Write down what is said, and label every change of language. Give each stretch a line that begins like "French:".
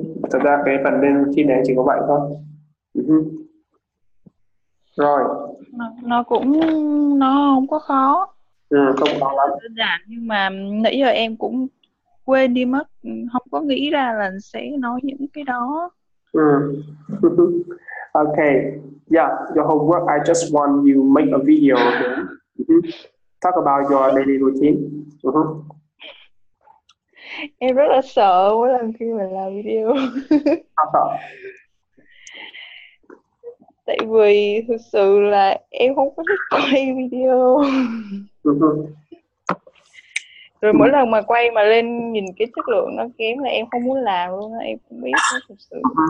Vietnamese: Thật ra cái phần daily routine này chỉ có vậy thôi. Uh-huh. Rồi. Nó cũng không có khó. Ừ, không khó lắm. Đơn giản, nhưng mà nãy giờ em cũng quên đi mất, không có nghĩ ra là sẽ nói những cái đó.
English: Okay, yeah, your homework, I just want you make a video talk about your daily routine. Uh-huh.
Vietnamese: Em rất là sợ mỗi lần khi mình làm video. Tại vì thực sự là em không có thích quay video. Rồi mỗi lần mà quay mà lên nhìn cái chất lượng nó kém là em không muốn làm luôn, em không biết thật sự.